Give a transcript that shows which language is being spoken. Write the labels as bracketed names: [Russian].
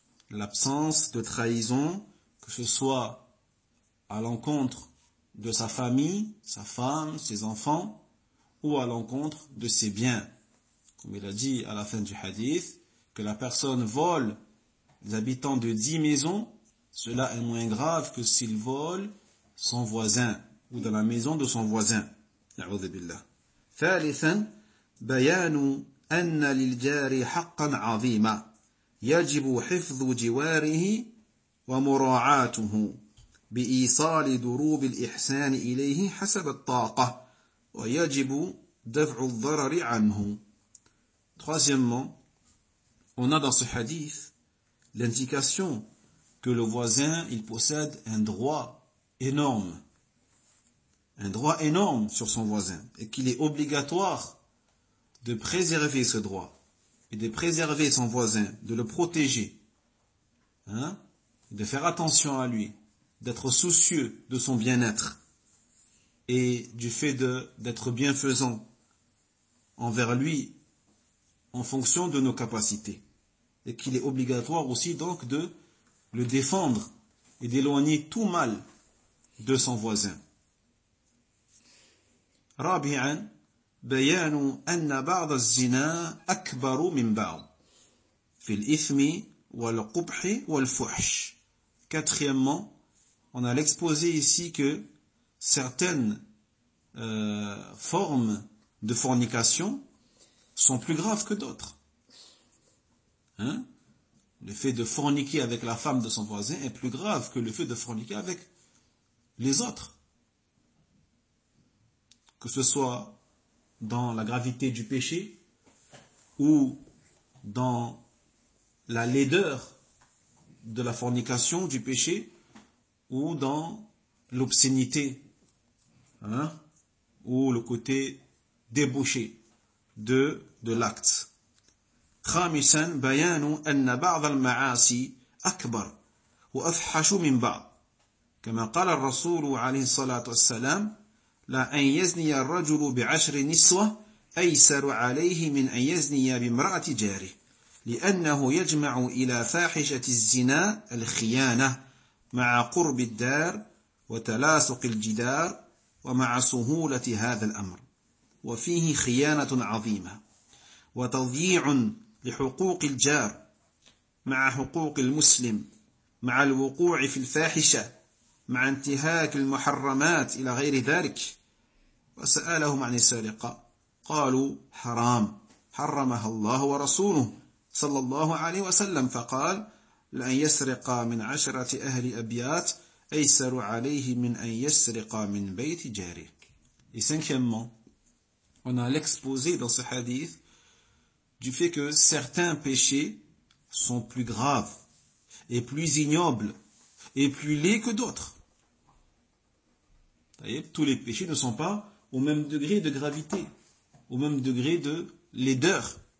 [French] L'absence de trahison, que ce soit à l'encontre de sa famille, sa femme, ses enfants, ou à l'encontre de ses biens. Comme il a dit à la fin du hadith, que la personne vole les habitants de 10 maisons, cela est moins grave que s'il vole son voisin, ou dans la maison de son voisin. [Arabic] أعوذ بالله. ثالثا بيان أن للجار حقا عظيما يجب حفظ جواره ومراعاته بإيصال دروب الإحسان إليه حسب الطاقة ويجب دفع الضرر عنه. [French] Troisièmement, on a dans ce hadith l'indication que le voisin, il possède un droit énorme. Un droit énorme sur son voisin, et qu'il est obligatoire de préserver ce droit, et de préserver son voisin, de le protéger, hein, de faire attention à lui, d'être soucieux de son bien-être, et du fait d'être bienfaisant envers lui, en fonction de nos capacités. Et qu'il est obligatoire aussi donc de le défendre, et d'éloigner tout mal de son voisin. [Arabic] رابعا بيان أن بعض الزنا أكبر من بعض في الإثم والقبح والفحش. [French] Quatrièmement, on a l'exposé ici que certaines formes de fornication sont plus graves que d'autres. Hein? Le fait de forniquer avec la femme de son voisin est plus grave que le fait de forniquer avec les autres. Que ce soit dans la gravité du péché ou dans la laideur de la fornication du péché ou dans l'obscénité, hein, ou le côté débauché de l'acte. [Arabic] خامسا بيان أن بعض المعاصي أكبر وأفحش من بعض كما قال الرسول عليه الصلاة والسلام لا أن يزني الرجل بعشر نسوة أيسر عليه من أن يزني بامرأة جاره لأنه يجمع إلى فاحشة الزنا الخيانة مع قرب الدار وتلاصق الجدار ومع سهولة هذا الأمر وفيه خيانة عظيمة وتضييع لحقوق الجار مع حقوق المسلم مع الوقوع في الفاحشة مع انتهاك المحرمات إلى غير ذلك وسألهم عن السرقة قالوا حرام حرمها الله ورسوله صلى الله عليه وسلم فقال لأن يسرق من عشرة أهل أبيات أيسر عليه من أن يسرق من بيت جاره. [French] Et cinquièmement, on a l'exposé dans ce hadith du fait que certains péchés sont plus graves et plus ignobles et plus laids que d'autres. Tous les péchés ne sont pas au même degré de gravité, au même degré de laideur.